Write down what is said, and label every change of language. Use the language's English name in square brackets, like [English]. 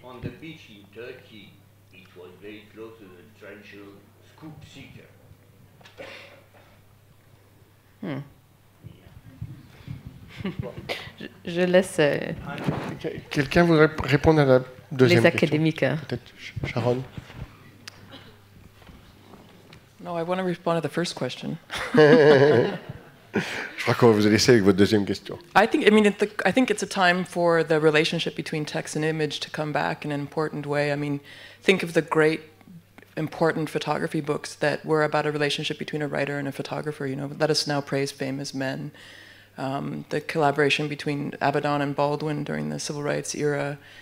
[English] On the beach in Turkey, it was very close to the trenchal scoop seeker. [French] Je laisse. Quelqu'un voudrait répondre à la deuxième question. Les académiques. Peut-être Sharon. [English] No, I want to respond to the first question. [French] Je crois qu'on va vous laisser avec votre deuxième question. [English] I think it's a time for the relationship between text and image to come back in an important way. I mean, think of the great important photography books that were about a relationship between a writer and a photographer. You know, Let Us Now Praise Famous Men, the collaboration between Avedon and Baldwin during the civil rights era.